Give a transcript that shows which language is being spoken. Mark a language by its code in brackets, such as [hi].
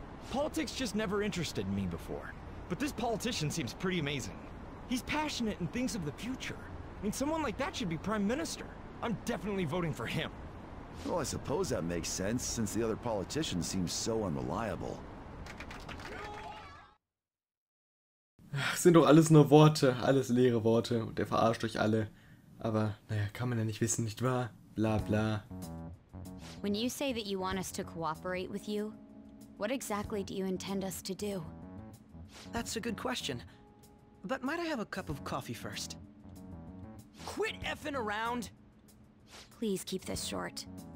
[en] Politics just never interested me before. But this politician seems pretty amazing. He's passionate and thinks of the future. I mean, someone like that should be prime minister. I'm definitely voting for him. Well, I suppose that makes sense, since the other politician seems so unreliable. [de] Ach, sind doch alles nur Worte, alles leere Worte, und er verarscht euch alle. Aber, naja, kann man ja nicht wissen, nicht wahr? Bla bla. [en] When you say that you want us to cooperate with you, what exactly do you intend us to do? That's a good question. But might I have a cup of coffee first? Quit effing around! Please keep this short.